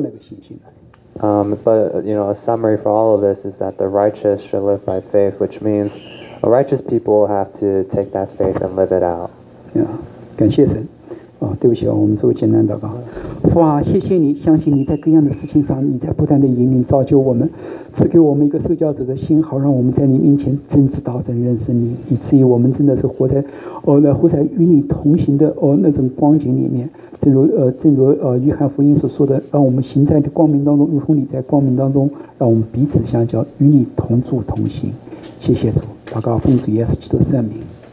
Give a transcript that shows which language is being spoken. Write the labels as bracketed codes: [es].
[zh] 是生活什么？是靠着信心来生活的，来活出那个信心来。But [en] a summary for all of this is that the righteous should live by faith, which means righteous people have to take that faith and live it out. [zh] Yeah, 感谢神，对不起，我们做个简单祷告。父啊，谢谢你，相信你在各样的事情上，你在不断的引领造就我们，赐给我们一个受教者的心，好让我们在你面前真知道、真认识你，以至于我们真的是活在，活在与你同行的那种光景里面。正如约翰福音所说的，让我们行在光明当中，如同你在光明当中，让我们彼此相交，与你同住同行。谢谢主，祷告奉主耶稣基督的圣名。